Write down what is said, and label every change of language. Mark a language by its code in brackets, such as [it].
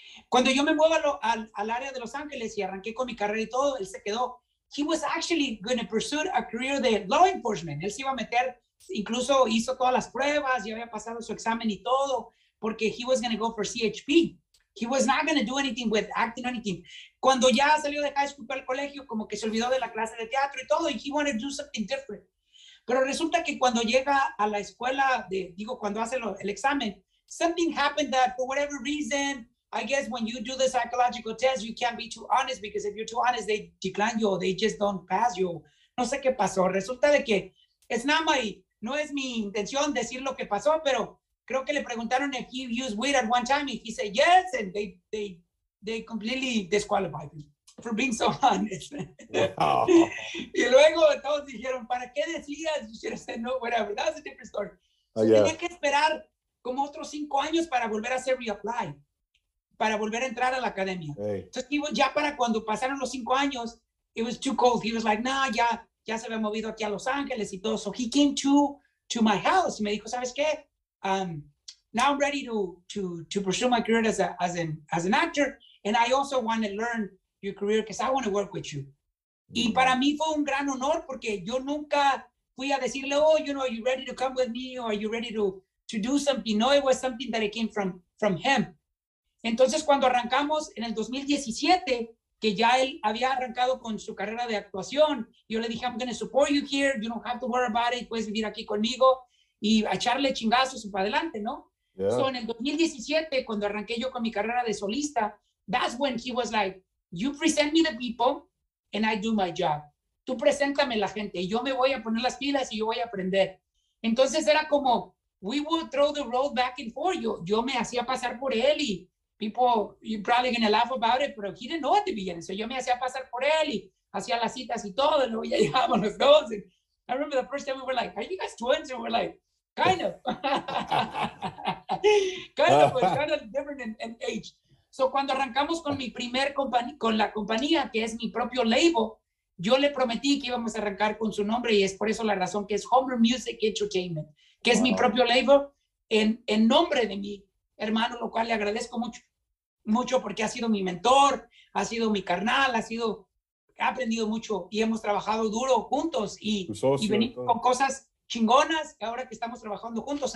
[es] Cuando yo me muevo al área de Los Ángeles y arranqué con mi carrera y todo, él se quedó. [en] He was actually going to pursue a career de law enforcement. [es] Él se iba a meter, incluso hizo todas las pruebas, ya había pasado su examen y todo, porque [en] he was going to go for CHP. He was not going to do anything with acting or anything. [es] Cuando ya salió de high school para el colegio, como que se olvidó de la clase de teatro y todo, [en] and he wanted to do something different. [es] Pero resulta que cuando llega a la escuela, cuando hace el examen, [en] something happened that for whatever reason, I guess when you do the psychological test, you can't be too honest because if you're too honest, they decline you, they just don't pass you. [es] No sé qué pasó. Resulta de que [en] it's not my, [es] no es mi intención decir lo que pasó, pero creo que le preguntaron [en] if he used weed at one time and he said yes, and they completely disqualified me for being so honest. [es] Wow. Y luego todos dijeron, ¿para qué decías? [en] You should have said no, whatever. That's a different story. [es] Tenía que esperar como otros 5 años para volver a hacer reapply. Para volver a entrar a la academia. Hey. Entonces, ya para cuando pasaron los 5 años, [en] it was too cold. He was like, nah, [es] ya se había movido aquí a Los Ángeles y todo. [en] So he came to my house [es] y me dijo, ¿sabes qué? [en] Now I'm ready to pursue my career as an actor. And I also want to learn your career because I want to work with you. [es] Mm-hmm. Y para mí fue un gran honor porque yo nunca fui a decirle, [en] oh, you know, are you ready to come with me? Or are you ready to do something? No, it was something that it came from him. [es] Entonces, cuando arrancamos en el 2017, que ya él había arrancado con su carrera de actuación, yo le dije, [en] I'm going to support you here, you don't have to worry about it, [es] puedes vivir aquí conmigo y echarle chingazos para adelante, ¿no? Yeah. [en] So, [es] en el 2017, cuando arranqué yo con mi carrera de solista, [en] that's when he was like, you present me the people and I do my job. [es] Tú preséntame la gente, yo me voy a poner las pilas y yo voy a aprender. Entonces, era como, [en] we would throw the road back and forth. [es] Yo me hacía pasar por él y [en] people, you're probably going to laugh about it, but he didn't know at the beginning. [es] So yo me hacía pasar por él y hacía las citas y todo, y luego ya llegábamos los dos. [en] I remember the first time we were like, are you guys twins? And we're like, kind of. Kind of, but kind of different in age. [es] So cuando arrancamos con mi primer compañía, con la compañía, que es mi propio label, yo le prometí que íbamos a arrancar con su nombre y es por eso la razón que es Homer Music Entertainment, que es mi propio label en nombre de mi hermano, lo cual le agradezco mucho, mucho porque ha sido mi mentor, ha sido mi carnal, ha aprendido mucho y hemos trabajado duro juntos y venimos con cosas chingonas ahora que estamos trabajando juntos.